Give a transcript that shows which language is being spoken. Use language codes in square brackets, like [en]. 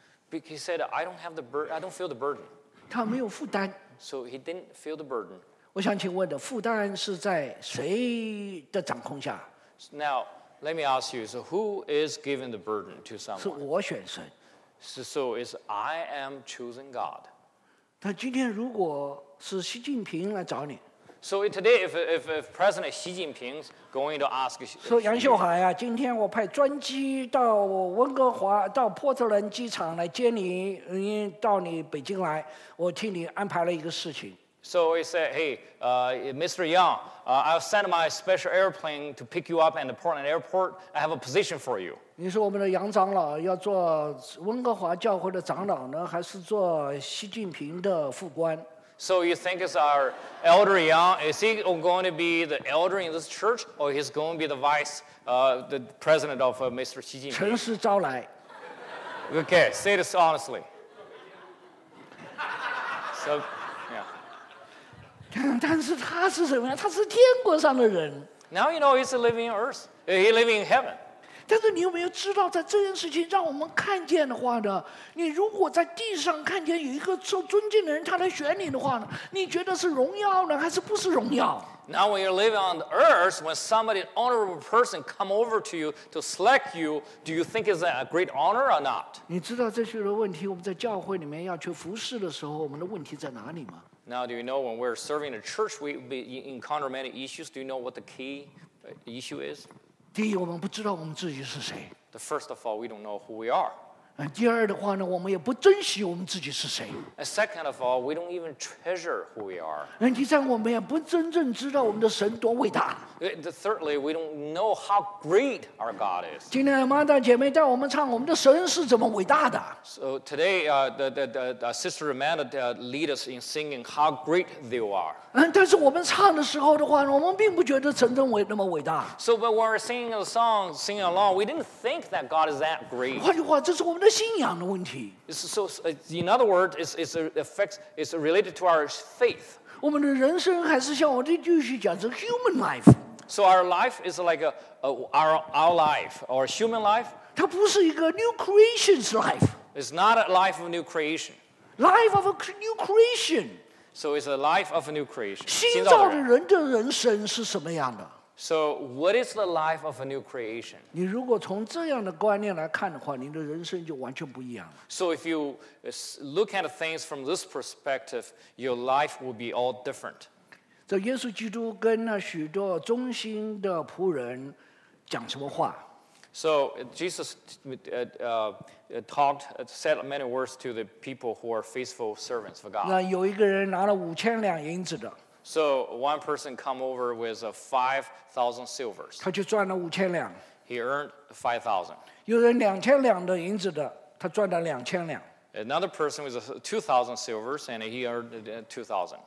[en] Because he said I don't feel the burden. [zh] 他没有负担。 [en] So he didn't feel the burden. [zh] 我想请问的，负担是在谁的掌控下 [en] ？Now let me ask you, so who is giving the burden to someone? [zh] 是我选神。 [en] So is I am choosing God. [zh] 但今天如果是习近平来找你。 [en] So today, if President Xi Jinping is going to ask, [zh] 说杨秀海啊，今天我派专机到温哥华，到波特兰机场来接你，到你北京来，我替你安排了一个事情。 [en] So he said, hey, Mr. Yang, I'll send my special airplane to pick you up at the Portland Airport. I have a position for you. [zh] 你是我们的杨长老，要做温哥华教会的长老呢，还是做习近平的副官？ [en] So you think it's our elder Yang? Is he going to be the elder in this church, or he's going to be the vice, the president of Mr. Xi Jinping? [zh] 诚实招来。 [en] Okay, say this honestly. So, yeah. [zh] 但是他是什么呀？他是天国上的人。 [en] Now you know he's living on earth. He living in heaven. [zh] 但是你有没有知道，在这件事情让我们看见的话呢？你如果在地上看见有一个受尊敬的人，他来选你的话呢？你觉得是荣耀呢，还是不是荣耀 [en] ？Now when you're living on the earth, when somebody honorable person come over to you to select you, do you think it's a great honor or not？ [zh] 你知道这些的问题，我们在教会里面要去服侍的时候，我们的问题在哪里吗 [en] ？Now do you know when we're serving the church, we encounter many issues. Do you know what the key issue is？ [zh] 第一，我们不知道我们自己是谁。 [en] The first of all, we don't know who we are. [zh] 第二的话呢，我们也不珍惜我们自己是谁。 [en] And second of all, we don't even treasure who we are. [zh] 第三，我们也不真正知道我们的神多伟大。 [en] Thirdly, we don't know how great our God is. [zh] 今天Amanda姐妹带我们唱我们的神是怎么伟大的。 [en] So today, the sister Amanda lead us in singing how great they are. [zh] 但是我们唱的时候的话呢，我们并不觉得神真伟那么伟大。 [en] So but when we're singing a song, singing along, we didn't think that God is that great. [zh] 换句话，这是我们的信仰的问题。 [en] So in other words, it's related to our faith. [zh] 我们的人生还是像我这句句讲是 [en] human life. So our life is like our life, our human life. [zh] 它不是一个 [en] new creation's life. It's not a life of new creation. Life of a new creation. So it's a life of a new creation. [zh] 新造的人的人生是什么样的？ [en] So what is the life of a new creation? [zh] 你如果从这样的观念来看的话，你的人生就完全不一样了。 [en] So if you look at things from this perspective, your life will be all different. [zh] 这耶稣基督跟那许多忠心的仆人讲什么话？ [en] So Jesus said many words to the people who are faithful servants of God. [zh] 那有一个人拿了5000两银子的。 [en] So one person come over with 5,000 silvers. [zh] 他就赚了5000两。 [en] He earned 5,000. [zh] 有人2000两的银子的，他赚了2000两。 [en] Another person with 2,000 silvers and he earned 2,000.